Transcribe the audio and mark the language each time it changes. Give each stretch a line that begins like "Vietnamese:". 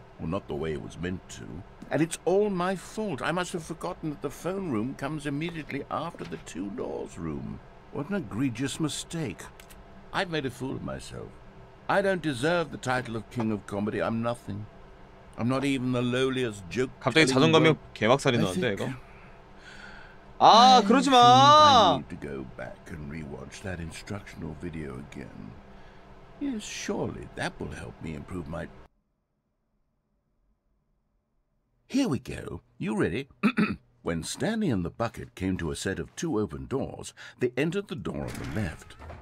English: Well, not the way it was meant to. And it's all my fault. I must have forgotten that the phone room comes immediately after the two doors room. What an egregious mistake. I've made a fool of myself. I don't deserve the title of King of Comedy. I'm nothing. I'm not even the lowliest joke.
Korean: 갑자기 자존감이 개막살이 나는데 이거? 아, 그러지 마.
English: I need to go back and rewatch that instructional video again. Yes, surely that will help me improve my... Here we go. You ready? When Stanley and the bucket came to a set of two open doors, they entered the door on the left.